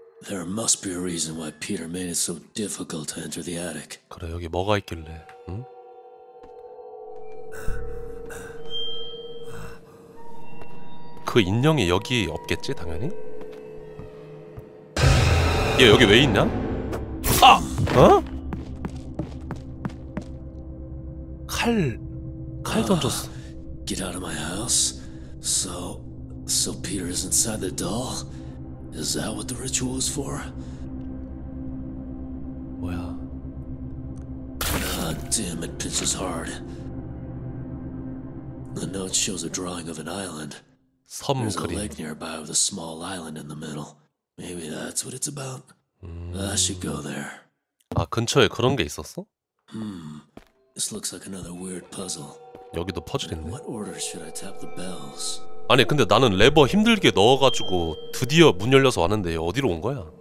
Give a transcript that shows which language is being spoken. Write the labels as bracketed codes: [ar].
[en] There must be a reason why Peter made it so difficult to enter the attic. [ko] 그래, 여기 뭐가 있길래, 응? 그 인형이 여기 없겠지, 당연히? 얘 여기 왜 있냐? 아! 어? 칼 던졌어. [en] Get out of my house. So Peter is inside the doll. Is that what the ritual is for? [ko] 뭐야? [en] God damn, it pinches hard. The note shows a drawing of an island. [ko] 섬 [en] There's [ko] 그림. [en] A lake nearby with a small island in the middle. Maybe that's what it's about. I should go there. [ko] 아, 근처에 그런 게 있었어? [en] This looks like another weird puzzle. [ko] 여기도 퍼즐 있네. [en] What order should I tap the bells? [ko] 아니, 근데 나는 레버 힘들게 넣어가지고 드디어 문 열려서 왔는데 어디로 온 거야?